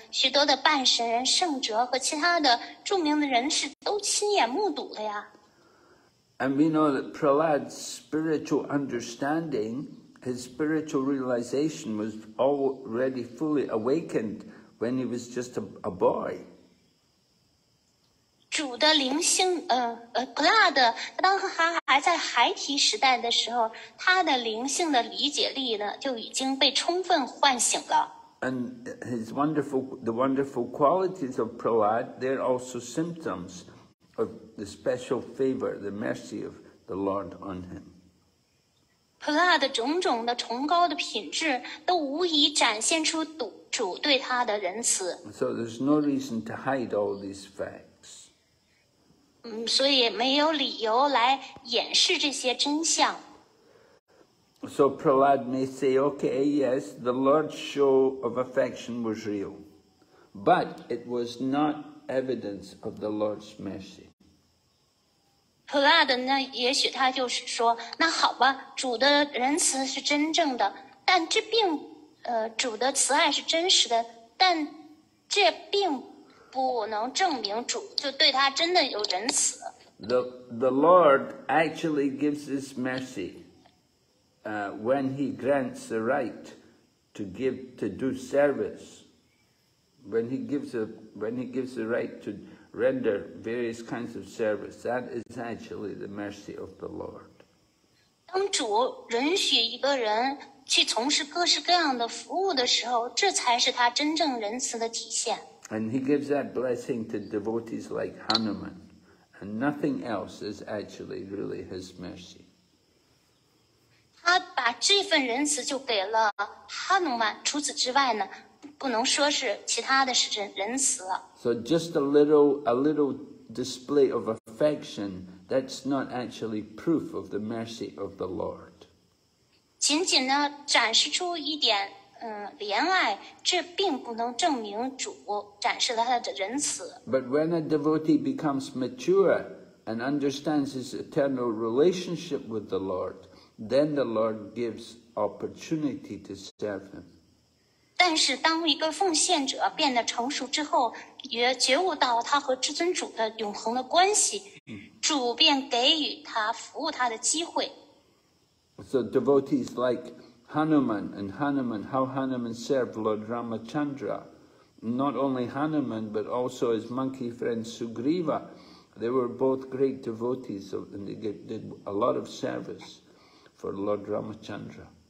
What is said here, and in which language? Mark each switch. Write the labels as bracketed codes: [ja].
[zh] 许多的半神人、圣哲和其他的著名的人士都亲眼目睹了呀。 [en] And we know that Prahlad's spiritual understanding, his spiritual realization was already fully awakened when he was just a boy. [zh] 主的灵性，普拉德当他还在孩提时代的时候，他的灵性的理解力呢就已经被充分唤醒了。 [en] And his wonderful, the wonderful qualities of Prahlad, they're also symptoms of the special favor, the mercy of the Lord on him. [zh] Prahlad 的种种的崇高的品质都无疑展现出主对他的仁慈。 [en] So there's no reason to hide all these facts. [zh] 所以没有理由来掩饰这些真相。 [en] So Prahlad may say, okay, yes, the Lord's show of affection was real, but it was not evidence of the Lord's mercy. [zh] Prahlad 呢，也许他就是说，那好吧，主的仁慈是真正的，但这并，主的慈爱是真实的，但这并不能证明主就对他真的有仁慈。 [en] The Lord actually gives His mercy, when He grants the right to give to do service. When He gives the right to render various kinds of service, that is actually the mercy of the Lord. [zh] 当主允许一个人去从事各式各样的服务的时候，这才是他真正仁慈的体现。 [en] And he gives that blessing to devotees like Hanuman, and nothing else is actually really his mercy. [zh] 他把这份仁慈就给了哈努曼，除此之外呢，不能说是其他的是仁慈了。 [en] So just a little display of affection, that's not actually proof of the mercy of the Lord. [zh] 仅仅呢，展示出一点。怜爱，这并不能证明主展示了他的仁慈。 [en] But when a devotee becomes mature and understands his eternal relationship with the Lord, then the Lord gives opportunity to serve him. [zh] 但是当一个奉献者变得成熟之后，也觉悟到他和至尊主的永恒的关系，主便给予他服务他的机会。 [en] So devotees like Hanuman and Hanuman, how Hanuman served Lord Ramachandra. Not only Hanuman, but also his monkey friend Sugriva. They were both great devotees of, and they did a lot of service for Lord Ramachandra.